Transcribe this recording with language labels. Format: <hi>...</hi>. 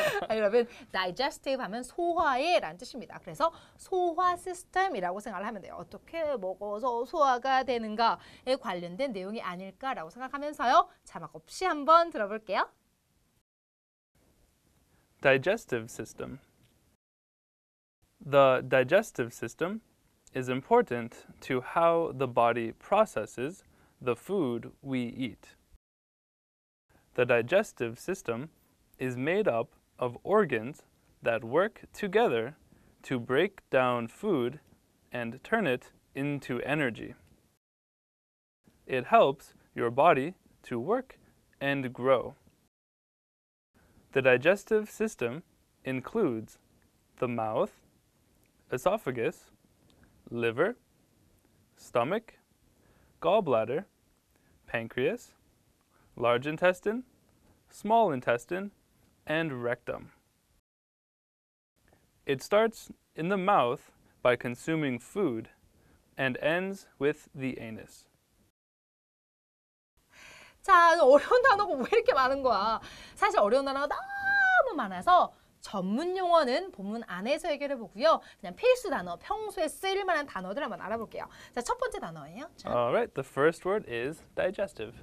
<ko>여러분, digestive 하면 소화에 라는 뜻입니다. 그래서 소화 시스템이라고 생각을 하면 돼요. 어떻게 먹어서 소화가 되는가에 관련된 내용이 아닐까라고 생각하면서요. 자막 없이 한번 들어볼게요.</ko> <en>Digestive system. The digestive system is important to how the body processes the food we eat. The digestive system is made up of organs that work together to break down food and turn it into energy. It helps your body to work and grow. The digestive system includes the mouth, esophagus, liver, stomach, gallbladder, pancreas, large intestine, small intestine, and rectum. It starts in the mouth by consuming food and ends with the anus.</en> <ko>자, 어려운 단어가 왜 이렇게 많은 거야? 사실 어려운 단어가 너무 많아서 전문 용어는 본문 안에서 해결해 보고요. 그냥 필수 단어, 평소에 쓰일 만한 단어들 한번 알아볼게요. 자, 첫 번째 단어예요.</ko> <en>Alright, the first word is digestive.</en>